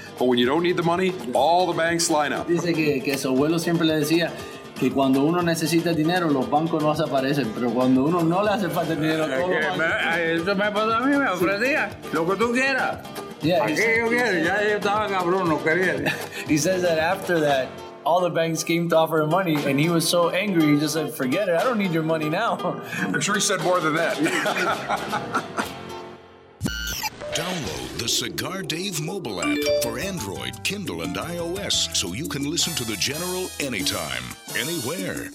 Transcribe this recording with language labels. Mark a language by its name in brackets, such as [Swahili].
[English] But when you don't need the money, all the banks line up. [Spanish] Dice que su abuelo siempre le decía que cuando uno necesita dinero, los bancos no desaparecen. Pero cuando uno no le hace falta dinero, todo lo va. Eso me pasó a mí, me ofrecía lo que tú quieras. [English] Yeah, [Spanish] aquí yo quiero, ya yo estaba cabrón, no quería. [English] He says that after that, all the banks came to offer him money, and he was so angry, he just said, forget it, I don't need your money now. I'm sure he said more than that. Download the Cigar Dave mobile app for Android, Kindle, and iOS so you can listen to The General anytime, anywhere.